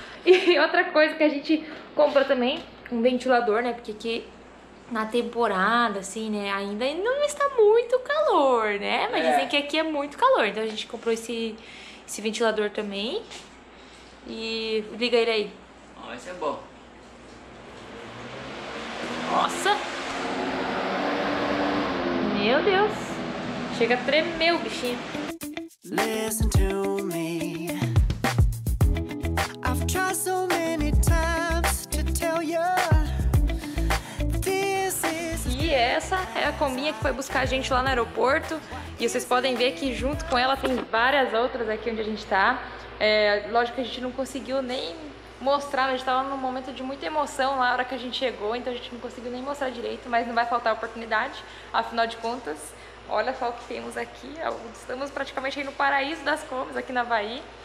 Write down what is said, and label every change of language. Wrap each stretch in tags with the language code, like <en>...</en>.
<pt>E outra coisa que a gente comprou também, um ventilador, né, porque aqui na temporada, assim, né, ainda não está muito calor, né, mas dizem que aqui é muito calor, então a gente comprou esse ventilador também e liga ele aí. Ó, esse é bom. Nossa! Meu Deus! Chega a tremer o bichinho.</pt> <en>Listen to me. I've tried so many times to tell you this is...</en> <pt>E essa é a combinha que foi buscar a gente lá no aeroporto. E vocês podem ver que junto com ela tem várias outras aqui onde a gente tá. É, lógico que a gente não conseguiu nem mostrar, a gente tava num momento de muita emoção lá na hora que a gente chegou, então a gente não conseguiu nem mostrar direito, mas não vai faltar oportunidade, afinal de contas, olha só o que temos aqui, estamos praticamente aí no paraíso das combis aqui na Bahia.</pt>